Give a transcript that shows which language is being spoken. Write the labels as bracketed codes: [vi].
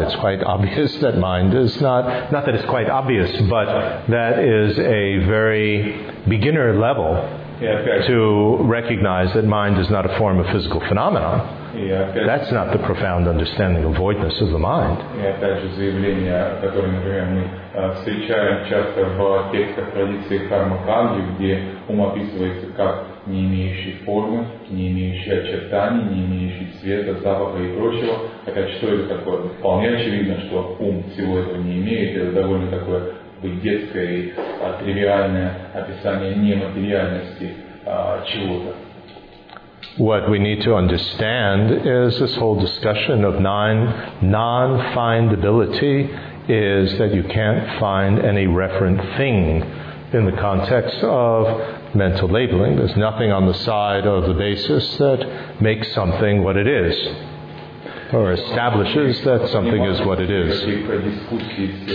[en] It's quite obvious that mind is not that it's quite obvious, but that is a very beginner level to recognize that mind is not a form of physical phenomenon. That's not the profound understanding of voidness of the mind. [ru] И опять же, заявление, которое, например, мы встречаем часто в текстах традиции Кармакарги, где ум описывается как не имеющий формы, не имеющий очертаний, не имеющий цвета, запаха и прочего. Хотя что это такое? Вполне очевидно, что ум всего этого не имеет. Это довольно такое детское и тривиальное описание нематериальности чего-то. [en] What we need to understand is this whole discussion of non-findability is that you can't find any referent thing in the context of mental labeling. There's nothing on the side of the basis that makes something what it is or establishes that something is what it is.